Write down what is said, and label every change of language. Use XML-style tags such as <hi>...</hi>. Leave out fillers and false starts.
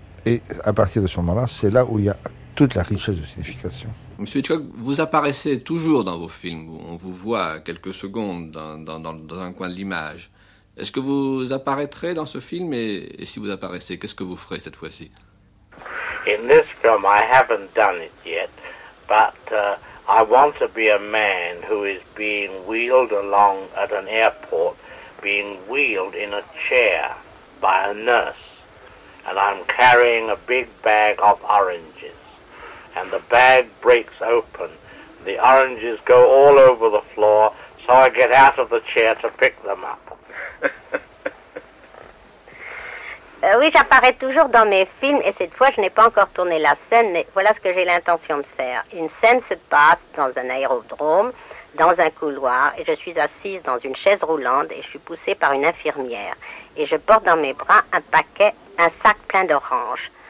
<fr>Et à partir de ce moment-là, c'est là où il y a toute la richesse de signification. Monsieur Hitchcock, vous apparaissez toujours dans vos films. On vous voit quelques secondes dans un coin de l'image. Est-ce que vous apparaîtrez dans ce film et si vous apparaissez, qu'est-ce que vous ferez cette fois-ci?</fr> <en>In this film, I haven't done it yet, but I want to be a man who is being wheeled along at an airport, being wheeled in a chair by a nurse, and I'm carrying a big bag of oranges. And the bag breaks open. The oranges go all over the floor, so I get out of the chair to pick them up.</en> <fr>Oui, j'apparais toujours dans mes films, et cette fois, je n'ai pas encore tourné la scène, mais voilà ce que j'ai l'intention de faire. Une scène se passe dans un aérodrome, dans un couloir, et je suis assise dans une chaise roulante, et je suis poussée par une infirmière. Et je porte dans mes bras un sac plein d'oranges.</fr>